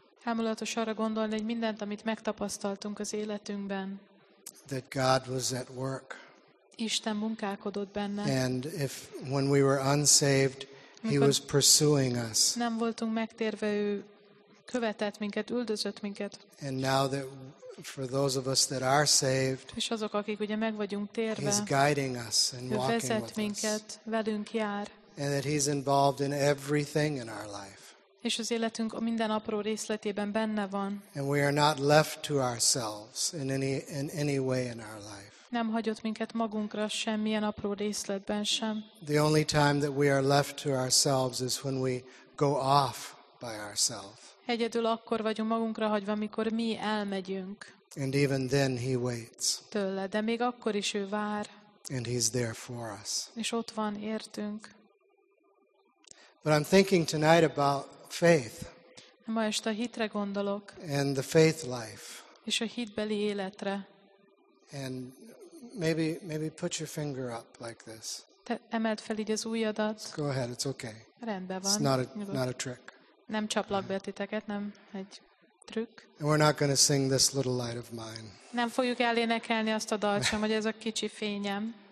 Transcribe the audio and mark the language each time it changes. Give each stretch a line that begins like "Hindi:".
Hungarian: Hámulatos arra gondolni, hogy mindent, amit megtapasztaltunk az életünkben.
English: That God was at work.
Hungarian: Isten munkálkodott benne.
English: And if when we were unsaved, he was pursuing us.
Hungarian: Nem voltunk megtérve, ő követett minket, üldözött minket.
English: And now that for those of us that are saved,
Hungarian: és azok, akik ugye meg vagyunk térve,
English: he's guiding us and
Hungarian: ő
English: walking
Hungarian: vezet
English: with
Hungarian: minket,
English: us.
Hungarian: Velünk jár.
English: And that he's involved in everything in our life.
Hungarian: És az életünk minden apró részletében benne van.
English: And we are not left to ourselves in any way in our life.
Hungarian: Nem hagyott minket magunkra semmilyen apró részletben sem.
English: The only time that we are left to ourselves is when we go off by ourselves.
Hungarian: Egyedül akkor vagyunk magunkra hagyva, amikor mi elmegyünk.
English: And even then he waits.
Hungarian: Tőle, de még akkor is ő vár.
English: And he's there for us.
Hungarian: És ott van értünk.
English: But I'm thinking tonight about faith.
Hungarian: Ma este a hitre gondolok.
English: And the faith life.
Hungarian: És a hitbeli életre.
English: And maybe put your finger up like this.
Hungarian: Te emeld fel így az ujjadat.
English: Go ahead, it's okay.
Hungarian: Rendben van.
English: It's not a trick.
Hungarian: Nem csaplak be titeket, nem egy trükk.
English: And we're not going to sing this little light of mine.
Hungarian: Nem fogjuk elénekelni azt a dalt sem, hogy ez a kicsi fényem.